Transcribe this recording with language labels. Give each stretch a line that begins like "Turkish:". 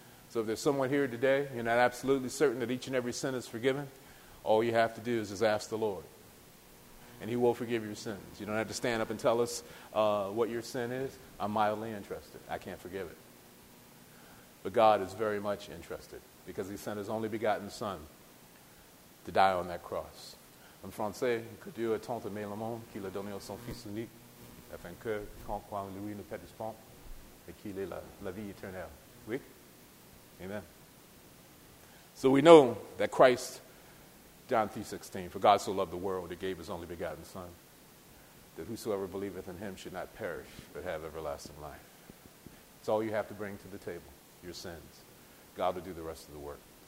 English: So if there's someone here today, you're not absolutely certain that each and every sin is forgiven, all you have to do is just ask the Lord. And he will forgive your sins. You don't have to stand up and tell us what your sin is. I'm mildly interested. I can't forgive it. But God is very much interested, because he sent his only begotten son to die on that cross.
French: En français, que Dieu ait tant aimé le monde qu'il a donné son fils unique, afin que quand croit lui ne perdisse pas, et qu'il ait la vie éternelle. Oui? Amen.
English: So we know that Christ, John 3:16, for God so loved the world, he gave his only begotten son, that whosoever believeth in him should not perish, but have everlasting life. It's all you have to bring to the table, your sins. God will do the rest of the work.